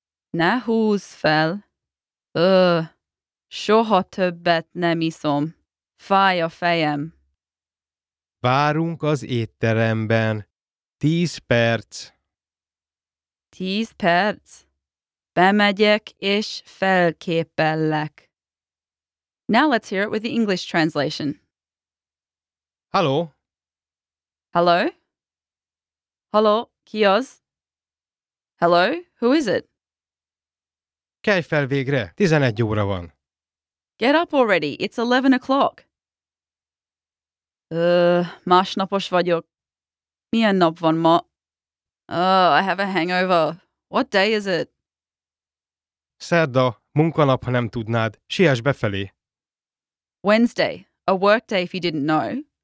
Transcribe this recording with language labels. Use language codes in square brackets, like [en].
[hu] Ne húzz fel. Soha többet nem iszom. Fáj a fejem. Várunk az étteremben. 10 perc. 10 perc? Bemegyek és felképellek. [en] Now let's hear it with the English translation. Hello. [hu] Hello? Hello, ki az? [en] Hello, who is it? [hu] Kelj fel végre, 11 óra van. [en] Get up already, it's 11 o'clock. [hu] Másnapos vagyok. Milyen nap van ma? [en] I have a hangover. What day is it? [hu] Szerda, munkanap, ha nem tudnád. Siess befelé. [en] Wednesday, a work day if you didn't know.